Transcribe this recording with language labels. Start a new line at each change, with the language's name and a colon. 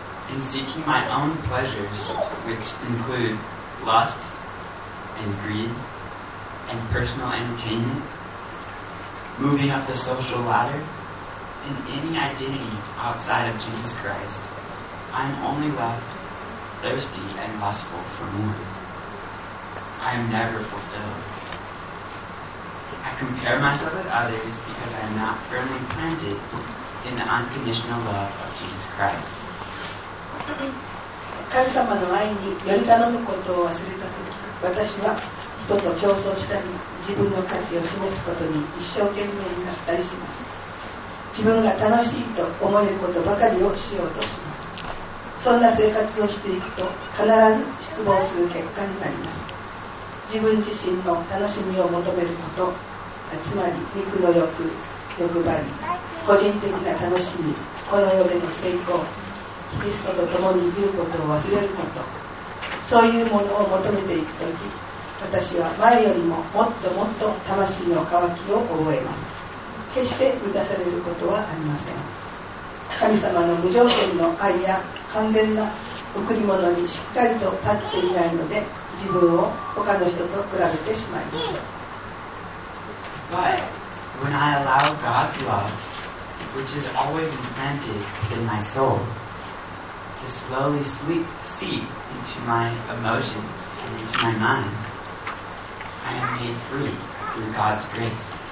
English: In seeking my own pleasures, which include lust and greed and personal entertainment, moving up the social ladder, in any identity outside of Jesus Christ, I am only left thirsty and lustful for more. I am never fulfilled. I compare myself with others because I am not firmly planted in the unconditional love of Jesus Christ.
Japanese: 神様の愛により頼むことを忘れたとき、私は人と競争したり、自分の価値を示すことに一生懸命になったりします。自分が楽しいと思えることばかりをしようとします。そんな生活をしていくと、必ず失望する結果になります。自分自身の楽しみを求めること、つまり肉の欲、欲張り、個人的な楽しみ、この世での成功、キリストと共にいることを忘れること、そういうものを求めていくとき、私は前よりももっともっと魂の渇きを覚えます。決して満たされることはありません。神様の無条件の愛や完全な贈り物にしっかりと立っていないので、自分を他の人と比べてしまいます。
English: But when I allow God's love, which is always implanted in my soulTo slowly seep into my emotions and into my mind, I am made free through God's grace.